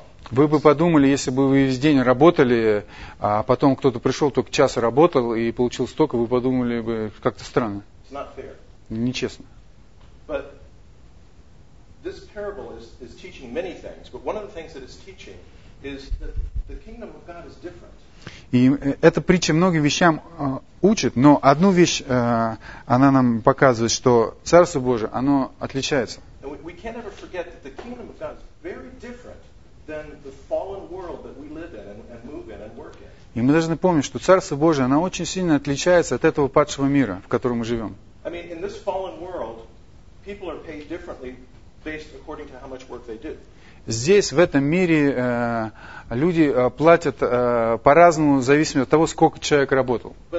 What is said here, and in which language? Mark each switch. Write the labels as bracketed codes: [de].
[ru] Вы бы подумали, если бы вы весь день работали, а потом кто-то пришел, только час работал и получил столько, вы подумали бы, как-то странно. [en] It's not fair. [ru] Нечестно. [en] But this parable is teaching many things, but one of the things that it's teaching is that the kingdom of God is different. [ru] И эта притча многим вещам учит, но одну вещь она нам показывает, что Царство Божие, оно отличается. [en] We can't ever forget that the kingdom of God is very different than the fallen world that we live in and move in and work in. [ru] И мы должны помнить, что Царство Божие, оно очень сильно отличается от этого падшего мира, в котором мы живем. [en] I mean, in this fallen world, people are paid differently based according to how much work they do. [ru] Здесь, в этом мире, люди платят по-разному, в зависимости от того, сколько человек работал.